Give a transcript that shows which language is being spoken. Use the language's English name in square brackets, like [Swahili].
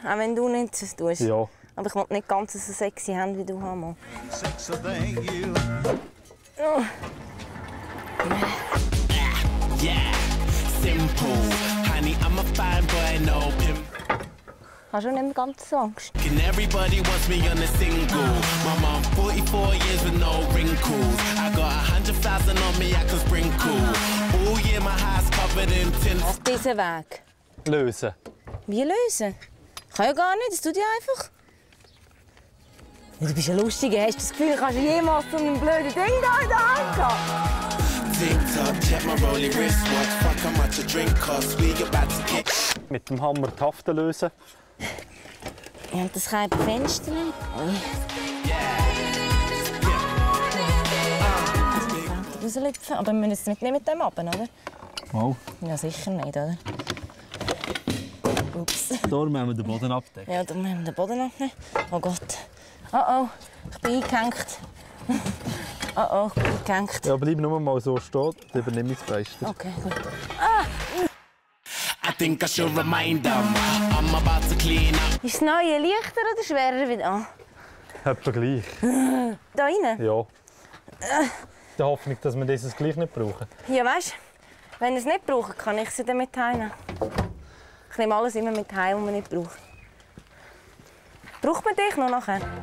[German] Auch wenn du nichts tust. Ja. Aber ich will nicht ganz so sexy Hände wie du haben. Oh. [English] Yeah. Simple. [German] Hast du nicht mehr ganz so Angst? [English] And everybody wants me on a single. My mom 44 years with no wrinkles. I got 100,000 on me, I can sprinkle. Oh yeah, my heart's covered in tin. [German] Auf diesen Weg. Lösen. Wie lösen? Ich kann ja gar nicht, das tut ja einfach. Du bist ja lustig, hast du das Gefühl, ich kann jemals zu einem blöden Ding da in der Hand gehen? Mit dem Hammer die Haften lösen. Ja, das kann ein Fenster nicht. Rauslüpfen. Aber wir müssen nicht mit dem ab, oder? Oh. Ja, sicher nicht, oder? Ups. Darum haben wir den Boden abdecken. Ja, darum haben wir den Boden abdecken. Oh Gott. Ich bin eingehängt. ich bin eingehängt. Ja, bleib nur mal so stehen, dann übernehme ich das Beste. Okay, gut. [English] I think I should remind them, I'm about to clean up. [German] Ist das neue leichter oder schwerer wie da? Etwa gleich. Da rein? Ja. Die Hoffnung, dass wir dieses gleich nicht brauchen. Ja, weißt du, wenn wir es nicht brauchen, kann ich sie dann mit heimnehmen. Ich nehme alles immer mit heim, was man nicht braucht. Braucht man dich noch nachher?